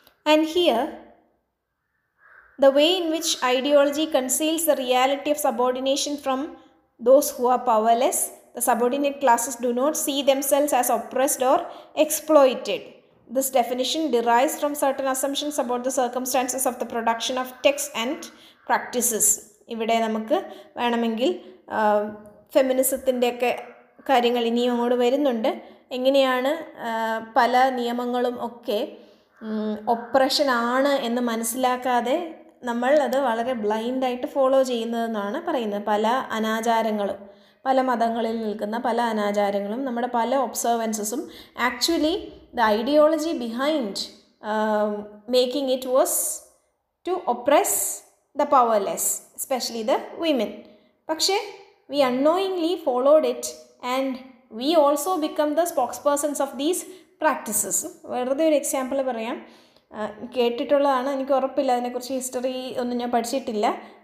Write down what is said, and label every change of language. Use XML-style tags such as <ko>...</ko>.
<en>And here, the way in which ideology conceals the reality of subordination from those who are powerless, the subordinate classes do not see themselves as oppressed or exploited. This definition derives from certain assumptions about the circumstances of the production of texts and practices.</en> <ml>ഇവിടെ നമുക്ക് വേണമെങ്കിൽ ഫെമിനിസത്തിൻ്റെ ഒക്കെ കാര്യങ്ങൾ ഇനിയും അങ്ങോട്ട് വരുന്നുണ്ട്. എങ്ങനെയാണ് പല നിയമങ്ങളും ഒക്കെ ഒപ്രഷൻ ആണ് എന്ന് മനസ്സിലാക്കാതെ നമ്മൾ അത് വളരെ ബ്ലൈൻഡായിട്ട് ഫോളോ ചെയ്യുന്നതെന്നാണ് പറയുന്നത്. പല അനാചാരങ്ങളും പല മതങ്ങളിൽ നിൽക്കുന്ന പല അനാചാരങ്ങളും നമ്മുടെ പല ഒബ്സർവൻസസും</ml> <en>Actually the ideology behind making it was to oppress the powerless especially the women.</en> <ml>പക്ഷേ</ml> <en>We unknowingly followed it and we also become the spokespersons of these practices.</en> <ml>വെറുതെ ഒരു എക്സാമ്പിൾ പറയാം. കേട്ടിട്ടുള്ളതാണ്, എനിക്ക് ഉറപ്പില്ല, അതിനെക്കുറിച്ച് ഹിസ്റ്ററി ഒന്നും ഞാൻ പഠിച്ചിട്ടില്ല.</ml>